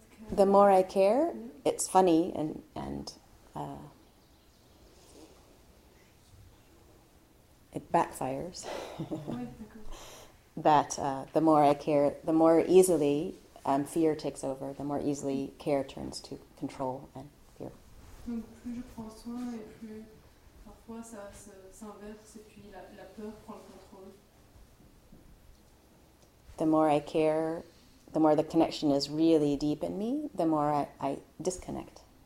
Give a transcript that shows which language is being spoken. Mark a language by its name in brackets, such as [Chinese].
[English] The more I care, it's funny and it backfires. That the more I care, the more easily fear takes over, the more easily care turns to control and fear. [French] Donc plus je prends soin et plus parfois ça s'inverse et puis la peur prend le contrôle. [English] The more I care, the more the connection is really deep in me, the more I disconnect.